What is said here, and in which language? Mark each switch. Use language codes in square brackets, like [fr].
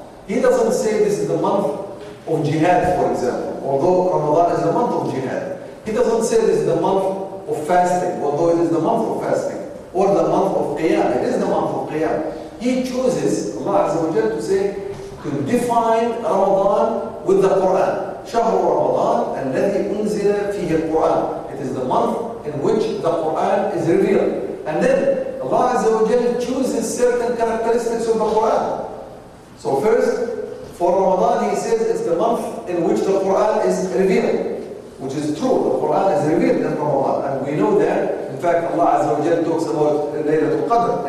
[en] He doesn't say this is the month of jihad, for example, although Ramadan is the month of jihad. He doesn't say this is the month of fasting, although it is the month of fasting, or the month of qiyam. It is the month of qiyam. He chooses, Allah Azza wa Jalla, to say, to define Ramadan with the Quran. [ar] شهر رمضان الذي أنزل فيه القرآن. [en] It is the month in which the Quran is revealed. And then Allah Azza wa Jalla chooses certain characteristics of the Quran. So first, for Ramadan, He says it's the month in which the Quran is revealed, which is true. The Quran is revealed in Ramadan, and we know that. In fact, Allah Azza wa Jalla talks about ليلة القدر.